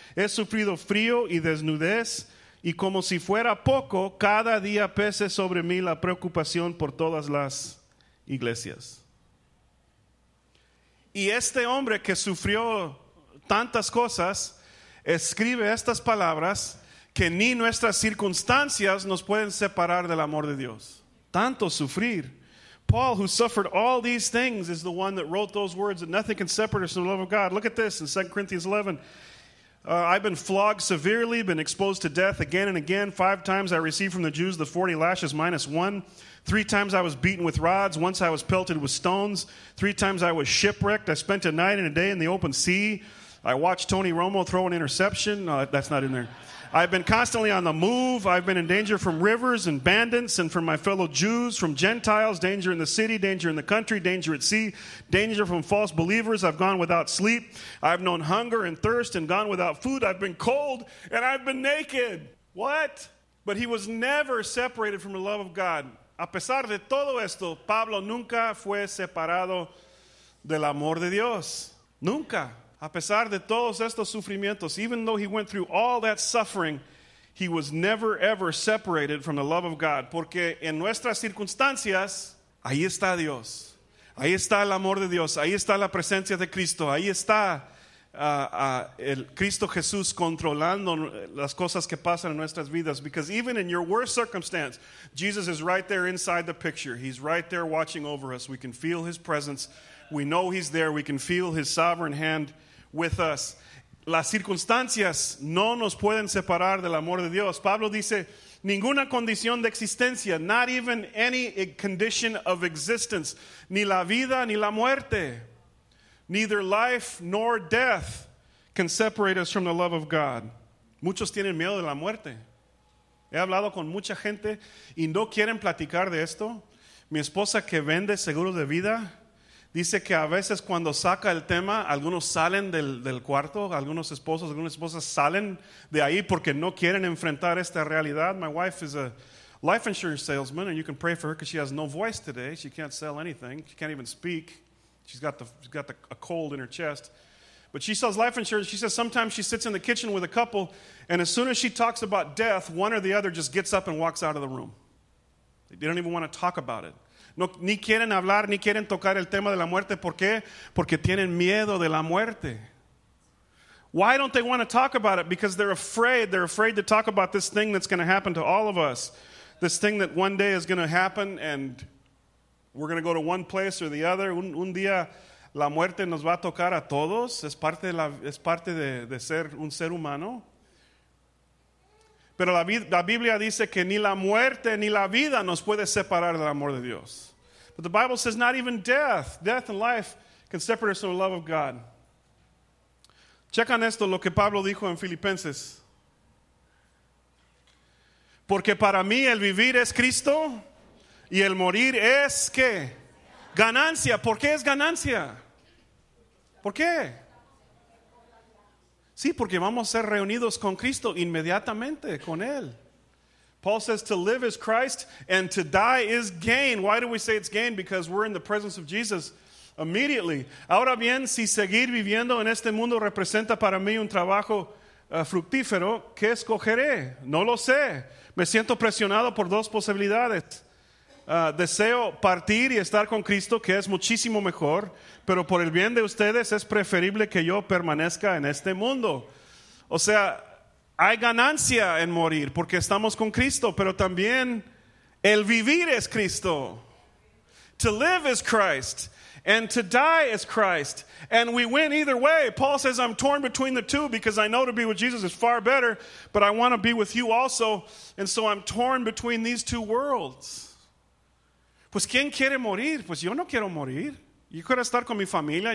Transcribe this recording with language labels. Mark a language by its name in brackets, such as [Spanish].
[Spanish] He sufrido frío y desnudez. Y como si fuera poco, cada día pese sobre mí la preocupación por todas las iglesias. Y este hombre que sufrió tantas cosas, escribe estas palabras que ni nuestras circunstancias nos pueden separar del amor de Dios. Tanto sufrir. [English] Paul, who suffered all these things, is the one that wrote those words that nothing can separate us from the love of God. Look at this in 2 Corinthians 11. I've been flogged severely, been exposed to death again and again. 5 times I received from the Jews the 40 lashes minus 1. 3 times I was beaten with rods. 1 I was pelted with stones. 3 times I was shipwrecked. I spent a night and a day in the open sea. I watched Tony Romo throw an interception. No, that's not in there. I've been constantly on the move. I've been in danger from rivers and bandits and from my fellow Jews, from Gentiles, danger in the city, danger in the country, danger at sea, danger from false believers. I've gone without sleep. I've known hunger and thirst and gone without food. I've been cold and I've been naked. What? But he was never separated from the love of God. [Spanish] A pesar de todo esto, Pablo nunca fue separado del amor de Dios. Nunca. A pesar de todos estos sufrimientos, [English] even though he went through all that suffering, he was never ever separated from the love of God. [Spanish] Porque en nuestras circunstancias, ahí está Dios. Ahí está el amor de Dios. Ahí está la presencia de Cristo. Ahí está el Cristo Jesús controlando las cosas que pasan en nuestras vidas. [English] Because even in your worst circumstance, Jesus is right there inside the picture. He's right there watching over us. We can feel his presence. We know he's there. We can feel his sovereign hand with us. [Spanish] Las circunstancias no nos pueden separar del amor de Dios. Pablo dice, ninguna condición de existencia, [English] not even any condition of existence, [Spanish] ni la vida ni la muerte, [English] neither life nor death can separate us from the love of God. [Spanish] Muchos tienen miedo de la muerte. He hablado con mucha gente y no quieren platicar de esto. Mi esposa que vende seguros de vida dice que a veces cuando saca el tema, algunos salen del cuarto, algunos esposos, algunas esposas salen de ahí porque no quieren enfrentar esta realidad. [English] My wife is a life insurance salesman, and you can pray for her because she has no voice today. She can't sell anything. She can't even speak. She's got a cold in her chest. But she sells life insurance. She says sometimes she sits in the kitchen with a couple, and as soon as she talks about death, one or the other just gets up and walks out of the room. They don't even want to talk about it. [Spanish] No, ni quieren hablar, ni quieren tocar el tema de la muerte. ¿Por qué? Porque tienen miedo de la muerte. [English] Why don't they want to talk about it? Because they're afraid. They're afraid to talk about this thing that's going to happen to all of us. This thing that one day is going to happen and we're going to go to one place or the other. [Spanish] Un día la muerte nos va a tocar a todos. Es parte de ser un ser humano. Pero la Biblia dice que ni la muerte ni la vida nos puede separar del amor de Dios. [English] But the Bible says not even death. Death and life can separate us from the love of God. [Spanish] Checan esto, lo que Pablo dijo en Filipenses. Porque para mí el vivir es Cristo y el morir es ¿qué? Ganancia. ¿Por qué es ganancia? ¿Por qué? Sí, porque vamos a ser reunidos con Cristo inmediatamente, con Él. [English] Paul says to live is Christ and to die is gain. Why do we say it's gain? Because we're in the presence of Jesus immediately. [Spanish] Ahora bien, si seguir viviendo en este mundo representa para mí un trabajo fructífero, ¿qué escogeré? No lo sé. Me siento presionado por dos posibilidades. Deseo partir y estar con Cristo, que es muchísimo mejor, pero por el bien de ustedes es preferible que yo permanezca en este mundo. O sea, hay ganancia en morir porque estamos con Cristo, pero también el vivir es Cristo. [English] To live is Christ and to die is Christ, and we win either way. Paul says, I'm torn between the two because I know to be with Jesus is far better, but I want to be with you also, and so I'm torn between these two worlds. [Spanish] Pues, ¿quién quiere morir? Pues, yo no quiero morir. Yo quiero estar con mi familia.